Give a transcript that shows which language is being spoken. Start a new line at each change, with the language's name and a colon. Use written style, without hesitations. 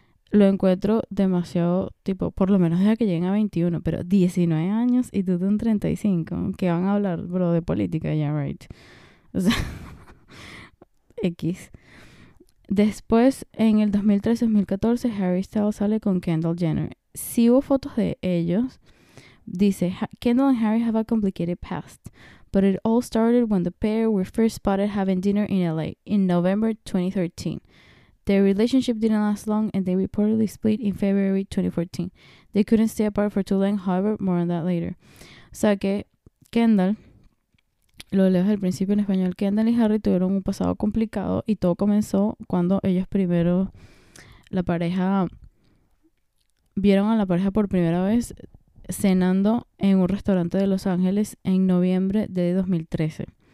Spanish: Lo encuentro demasiado, tipo, por lo menos desde que lleguen a 21. Pero 19 años y tú de un 35. ¿Qué van a hablar, bro, de política? Ya,
English: yeah, right.
Spanish: O sea... X... Después, en el 2013-2014, Harry Styles sale con Kendall Jenner. Sí hubo fotos de ellos. Dice,
English: Kendall and Harry have a complicated past, but it all started when the pair were first spotted having dinner in LA in November 2013. Their relationship didn't last long and they reportedly split in February 2014. They couldn't stay apart for too long, however, more on that later.
Spanish: O sea que Kendall... Lo leo desde el principio en español. Kendall y Harry tuvieron un pasado complicado y todo comenzó cuando ellos primero, la pareja, vieron a la pareja por primera vez cenando en un restaurante de Los Ángeles en noviembre de 2013.